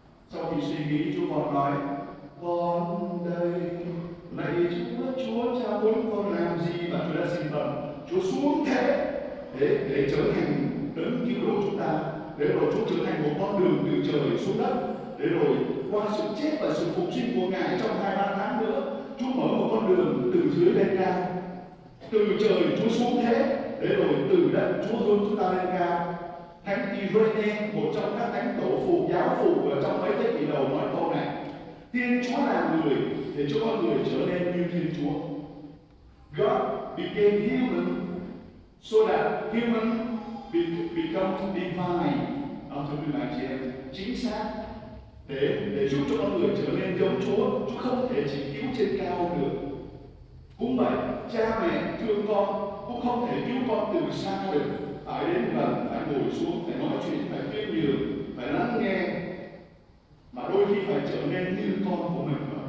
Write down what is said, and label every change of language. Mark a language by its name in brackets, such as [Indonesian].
[Vietnamese] Sau khi suy nghĩ chú con nói, con đây, này Chúa cha muốn con làm gì mà Chúa đã xin vâng, Chúa xuống thế để trở thành đấng cứu độ chúng ta, để rồi Chúa trở thành một con đường từ trời xuống đất, để rồi qua sự chết và sự phục sinh của Ngài trong 2-3 tháng nữa, Chúa mở một con đường từ dưới lên cao, từ trời Chúa xuống thế, để rồi từ đất Chúa hơn chúng ta lên cao. Thánh Irene, một trong các thánh tổ phụ giáo phụ ở trong mấy thế kỷ đầu nói câu này, Thiên Chúa là người để cho con người trở nên như Thiên Chúa. [English] God became human so that human become divine. [Vietnamese] Ông thưa quý bà chị em, chính xác, để giúp cho con người trở nên giống Chúa, Chúa không thể chỉ cứu trên cao được. Cũng vậy, cha mẹ thương con cũng không thể cứu con từ xa được, phải đến gần, phải ngồi xuống, phải nói chuyện, phải khuyên nhường, phải lắng nghe, mà đôi khi phải trở nên như con của mình.